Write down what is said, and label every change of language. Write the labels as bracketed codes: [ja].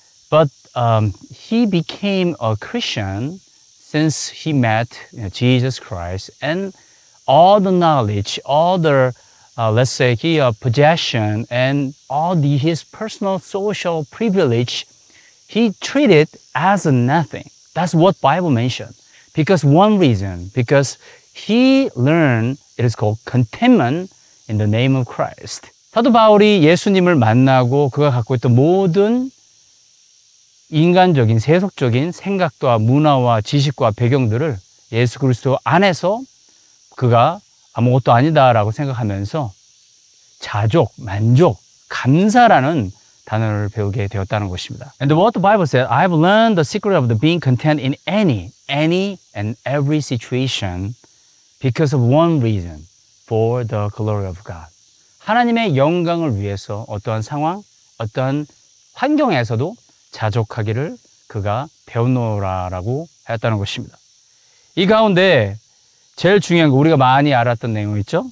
[en] But he became a Christian since he met Jesus Christ, and all the knowledge, all the, possession and all the, his personal social privilege, he treated as nothing. That's what Bible mentioned. Because one reason, because he learned, it is called contentment in the name of Christ. [ko] 사도 바울이 예수님을 만나고 그가 갖고 있던 모든 인간적인 세속적인 생각과 문화와 지식과 배경들을 예수 그리스도 안에서 그가 아무것도 아니다라고 생각하면서 자족, 만족, 감사라는 단어를 배우게 되었다는 것입니다. [en] And what the Bible said, I've learned the secret of the being content in any and every situation because of one reason, for the glory of God. [ko] 하나님의 영광을 위해서 어떠한 상황, 어떠한 환경에서도 자족하기를 그가 배웠노라라고 했다는 것입니다. 이 가운데 제일 중요한 거 우리가 많이 알았던 내용이 있죠.